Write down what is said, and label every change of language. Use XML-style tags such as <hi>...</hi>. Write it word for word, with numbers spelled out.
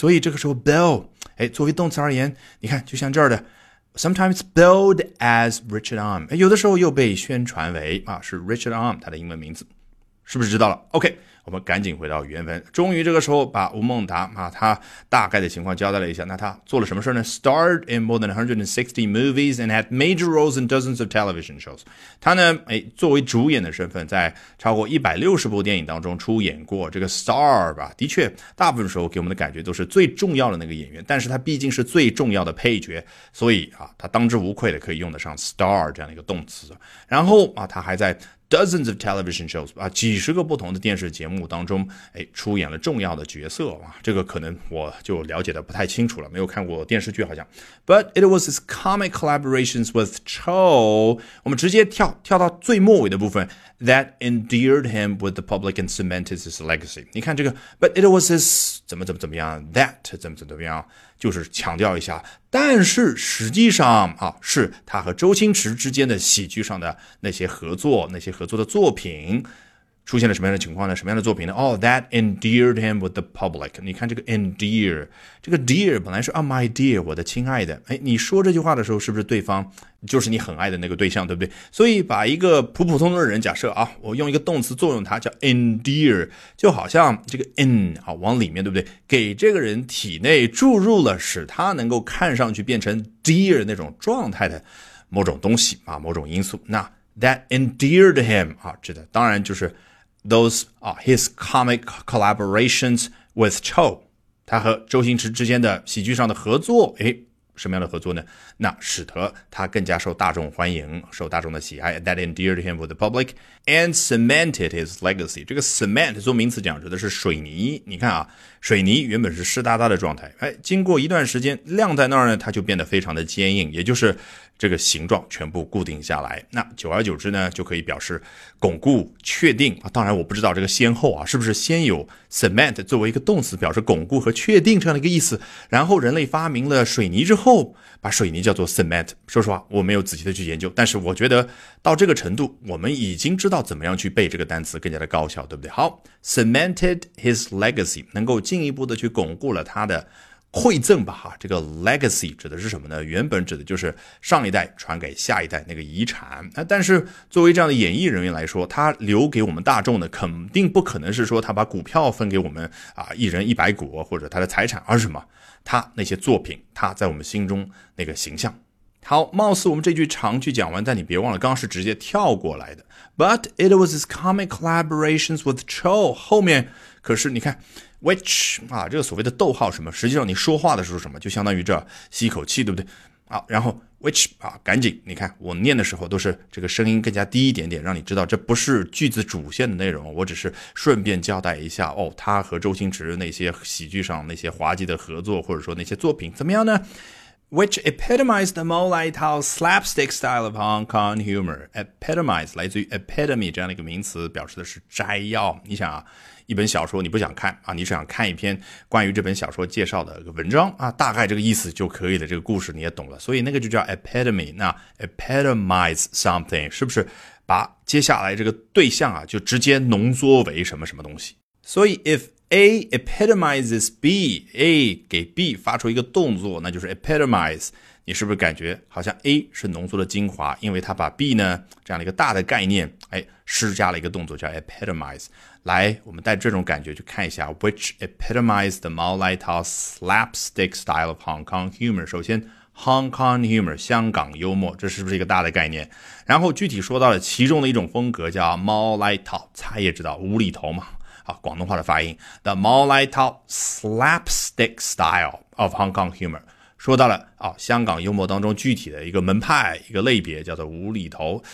<zh>所以这个时候 bill 作为动词而言，你看就像这儿的</zh> <en>Sometimes billed as Richard Arm，</en> <zh>有的时候又被宣传为啊是 Richard Arm 他的英文名字，是不是知道了 ？OK， 我们赶紧回到原文。终于这个时候把吴孟达啊他大概的情况交代了一下。那他做了什么事呢</zh> <en>？Starred in more than one hundred sixty movies and had major roles in dozens of television shows。</en> <zh>他呢，哎，作为主演的身份，在超过一百六十部电影当中出演过。这个 star 吧，的确，大部分时候给我们的感觉都是最重要的那个演员，但是他毕竟是最重要的配角，所以啊，他当之无愧的可以用得上 star 这样的一个动词。然后啊，他还在</zh> <en>dozens of television shows</en> <zh>啊，几十个不同的电视节目当中，哎，出演了重要的角色啊。这个可能我就了解的不太清楚了，没有看过电视剧好像。</zh> <en>But it was his comic collaborations with Chow，</en> <zh>我们直接跳跳到最末尾的部分</zh> <en>that endeared him with the public and cemented his legacy。</en> <zh>你看这个 ，</zh> <en>but it was his</en> <zh>怎么怎么怎么样 ，that 怎么怎么怎么样，就是强调一下。但是实际上啊，是他和周星驰之间的喜剧上的那些合作，那些合作的作品出现了什么样的情况呢？什么样的作品呢？</zh> <en>哦、oh, ，that endeared him with the public。</en> <zh>你看这个 endear， 这个 dear 本来是啊 my dear， 我的亲爱的。哎，你说这句话的时候，是不是对方就是你很爱的那个对象，对不对？所以把一个普普通通的人，假设啊，我用一个动词作用它，叫 endear， 就好像这个 in 啊往里面，对不对？给这个人体内注入了使他能够看上去变成 dear 那种状态的某种东西啊，某种因素。那 that endeared him 啊，指的当然就是</zh> <en>Those are his comic collaborations with Chow，</en> <zh>他和周星驰之间的喜剧上的合作，诶，什么样的合作呢？那使得他更加受大众欢迎，受大众的喜爱。</zh> <en>That endeared him with the public and cemented his legacy。</en> <zh>这个 cement 做名词讲指的是水泥。你看啊，水泥原本是湿哒哒的状态，哎，经过一段时间晾在那儿呢，它就变得非常的坚硬，也就是这个形状全部固定下来。那久而久之呢，就可以表示巩固、确定。啊、当然，我不知道这个先后啊，是不是先有 cement 作为一个动词表示巩固和确定这样的一个意思，然后人类发明了水泥之后，把水泥叫做 cement。说实话，我没有仔细的去研究，但是我觉得到这个程度，我们已经知道怎么样去背这个单词更加的高效，对不对？好 ，</zh> <en>cemented his legacy，</en> <zh>能够进一步的去巩固了他的馈赠吧哈，这个 legacy 指的是什么呢？原本指的就是上一代传给下一代那个遗产。但是作为这样的演艺人员来说，他留给我们大众的肯定不可能是说他把股票分给我们啊，一人一百股或者他的财产，而是什么？他那些作品，他在我们心中那个形象。好，貌似我们这句长句讲完，但你别忘了，刚刚是直接跳过来的。</zh> <en>But it was his comic collaborations with Chow。</en> <zh>后面可是你看 ，which 啊，这个所谓的逗号什么，实际上你说话的时候什么，就相当于这吸口气，对不对？好，然后 which 啊，赶紧，你看我念的时候都是这个声音更加低一点点，让你知道这不是句子主线的内容，我只是顺便交代一下哦，他和周星驰那些喜剧上那些滑稽的合作，或者说那些作品怎么样呢？</zh> <en>Which epitomized the Mo Lighthouse slapstick style of Hong Kong humor.</en> <zh>Epitomize 来自于 epitome 这样的一个名词，表示的是摘要。你想啊，一本小说你不想看啊，你只想看一篇关于这本小说介绍的文章啊，大概这个意思就可以了，这个故事你也懂了，所以那个就叫 epitome。那 epitomize something 是不是把接下来这个对象啊就直接浓缩为什么什么东西？所以</zh> <en>if A epitomizes B,</en> <zh>A 给 B 发出一个动作，那就是 epitomize。你是不是感觉好像 A 是浓缩的精华，因为它把 B 呢这样的一个大的概念哎，施加了一个动作叫 epitomize。来，我们带这种感觉去看一下</zh> <en>which epitomized the Mo Lighthouse slapstick style of Hong Kong humor。</en> <zh>首先 Hong Kong humor 香港幽默，这是不是一个大的概念？然后具体说到了其中的一种风格叫 Mo Lighthouse， 他也知道无厘头嘛，啊，广东话的发音</zh> <en>The Mo Lighthouse slapstick style of Hong Kong humor。</en> <zh>说到了啊，香港幽默当中具体的一个门派一个类别叫做无厘头。</zh>